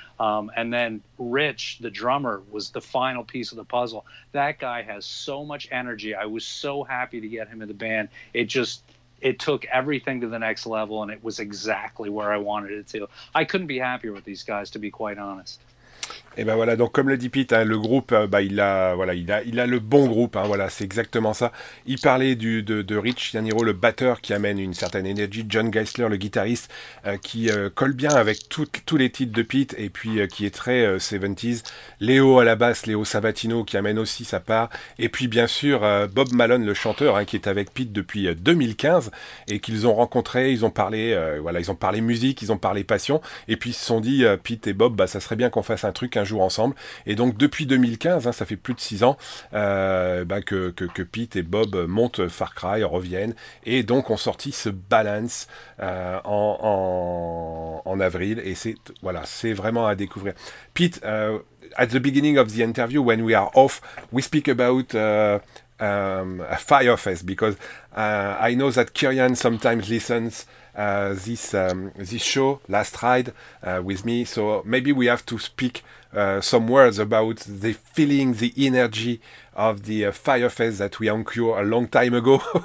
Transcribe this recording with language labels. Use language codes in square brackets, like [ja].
[en] And then Rich, the drummer, was the final piece of the puzzle. That guy has so much energy. I was so happy to get him in the band. It took everything to the next level, and it was exactly where I wanted it to. I couldn't be happier with these guys, to be quite honest. [fr] Et ben voilà, donc comme le dit Pete, hein, le groupe, bah, il a le bon groupe, hein, voilà, c'est exactement ça. Il parlait de Rich Yaniro, le batteur qui amène une certaine énergie, John Geisler, le guitariste, qui colle bien avec tous les titres de Pete, et puis qui est très 70s, Léo à la basse, Léo Sabatino, qui amène aussi sa part, et puis bien sûr, Bob Malone, le chanteur, hein, qui est avec Pete depuis 2015, et qu'ils ont rencontré, ils ont parlé, voilà, ils ont parlé musique, ils ont parlé passion, et puis ils se sont dit, Pete et Bob, bah, ça serait bien qu'on fasse un truc un jour ensemble. Et donc depuis 2015, hein, ça fait plus de 6 ans que Pete et Bob montent Far Cry, reviennent, et donc ont sorti ce Balance en avril, et c'est, voilà, c'est vraiment à découvrir. [en] Pete, at the beginning of the interview, when we are off, we speak about Firefest, because I know that Kyrian sometimes listens this show, Last Ride, with me, so maybe we have to speak some words about the feeling, the energy of the Firefest that we encountered a long time ago,